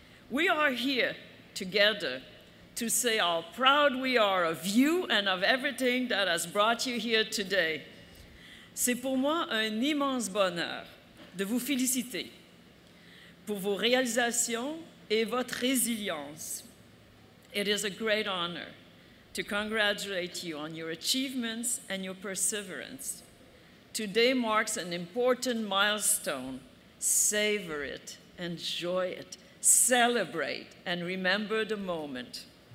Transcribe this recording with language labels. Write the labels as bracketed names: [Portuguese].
[English] We are here together to say how proud we are of you and of everything that has brought you here today. [French] C'est pour moi un immense bonheur de vous féliciter pour vos réalisations et votre résilience. [English] It is a great honor to congratulate you on your achievements and your perseverance. Today marks an important milestone. Savor it, enjoy it, celebrate, and remember the moment.